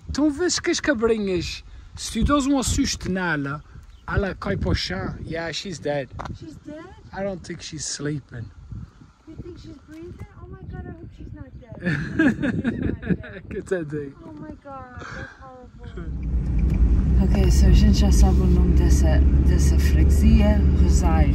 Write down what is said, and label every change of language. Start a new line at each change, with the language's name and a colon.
Portuguese: Então vês que as cabrinhas, se tu dás um assusto nela, ela cai para o chão.
English: Yeah, she's dead. She's dead? I don't think she's sleeping. You think she's breathing? Oh my god, I hope she's not dead.
Portuguese: Que tadinho.
English: Oh my god, that's horrible. Okay, so
Portuguese: a gente já sabe o nome dessa freguesia, Rosage.